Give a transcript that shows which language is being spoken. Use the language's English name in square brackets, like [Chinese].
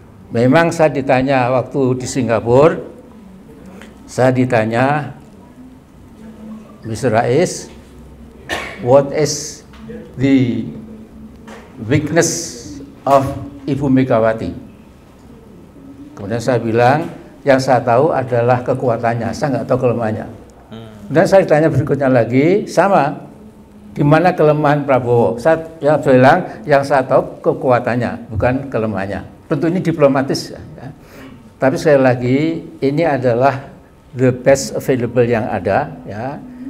[Indonesian] Memang saya ditanya waktu di Singapura, saya ditanya, Mr. [English] Rais, what is the weakness of Ibu Megawati? [Indonesian] Kemudian saya bilang, yang saya tahu adalah kekuatannya, saya nggak tahu kelemahannya. Dan saya ditanya berikutnya lagi, sama, di mana kelemahan Prabowo? Saya bilang, yang saya tahu kekuatannya, bukan kelemahannya. Tentu ini diplomatis. Ya. Tapi sekali lagi, ini adalah [English] the best available [Indonesian] yang ada. Ya.